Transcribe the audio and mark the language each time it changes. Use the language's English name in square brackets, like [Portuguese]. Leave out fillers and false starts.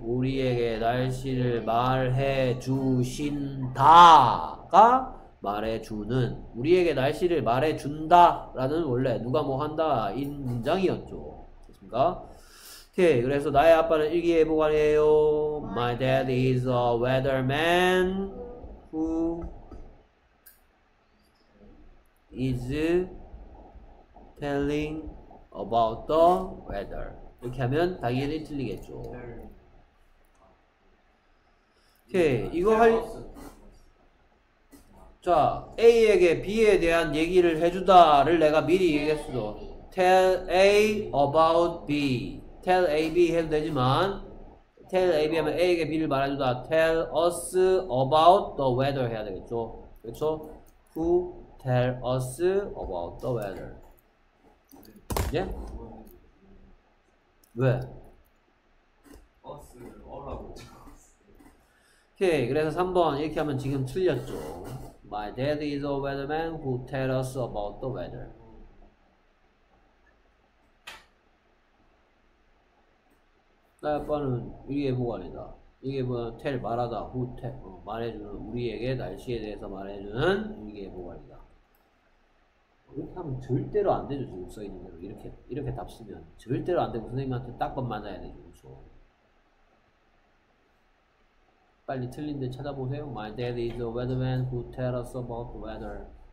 [Korean] 우리에게 날씨를 말해주신다가 말해주는. 우리에게 날씨를 말해준다라는 원래 누가 뭐 한다인 문장이었죠. 그렇습니까? 오케이. 그래서 나의 아빠는 일기예보관이에요. [English] My dad is a weatherman who is telling about the weather. [Korean] 이렇게 하면 당연히 틀리겠죠. 오케이. 이거 할... 자, A에게 B에 대한 얘기를 해주다를 내가 미리 얘기했어. [English] Tell A about B. [Korean] Tell A, B 해도 되지만 Tell A, B 하면 A에게 B를 말해주다. [English] Tell us about the weather [Korean] 해야 되겠죠. 그렇죠? [English] Who tell us about the weather? [Korean] 예? [English] Yeah? [Korean] 왜? us라고 오케이, 그래서 3번 이렇게 하면 지금 틀렸죠. [English] My dad is a weatherman who tell us about the weather. [Korean] 나의 아빠는 일기예보관이다. 일기예보관은 tell 말하다, who tell 말해주는 우리에게 날씨에 대해서 말해주는 일기예보관이다. 이렇게 하면 절대로 안 되죠. 지금 써 있는 대로 이렇게 이렇게 답 쓰면 절대로 안 되고 선생님한테 딱 번 맞아야 되죠. 그렇죠? 빨리 틀린 데 찾아보세요. [English] My dad is a weatherman who tell us about the weather.